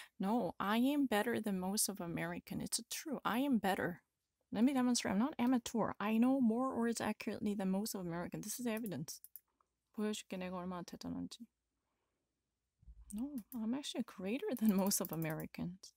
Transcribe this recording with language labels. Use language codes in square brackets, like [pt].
[en] No, I am better than most of American. It's true. I am better. Let me demonstrate. I'm not amateur. I know more words accurately than most of American. This is evidence. [ko] 보여줄게 내가 얼마나 대단한지. [en] No, I'm actually greater than most of Americans.